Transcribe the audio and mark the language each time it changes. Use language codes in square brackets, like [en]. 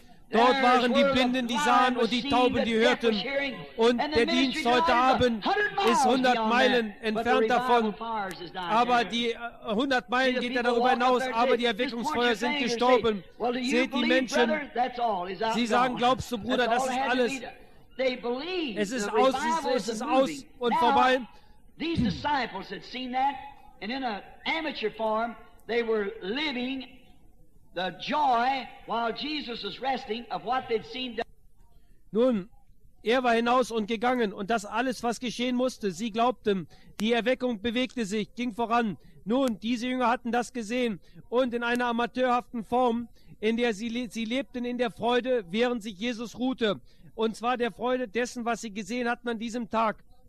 [de] Dort waren die Blinden, die sahen, und die Tauben, die hörten. Und der Dienst heute Abend ist 100 Meilen entfernt davon. Aber die 100 Meilen geht ja darüber hinaus, aber die Erweckungsfeuer sind gestorben. Seht die Menschen, sie sagen, glaubst du, Bruder, das ist alles. Es ist aus und vorbei. [en] Diese Disciples had seen that, and in an amateur form, they were living the joy while Jesus was resting of what they'd seen done. [de] Nun, war hinaus und gegangen und das alles, was geschehen musste, sie glaubten, die Erweckung bewegte sich, ging voran. Nun, diese Jünger hatten das gesehen und in einer amateurhaften Form, in der sie lebten in der Freude, während sich Jesus ruhte. Und zwar der Freude dessen, was sie gesehen hatten an diesem Tag.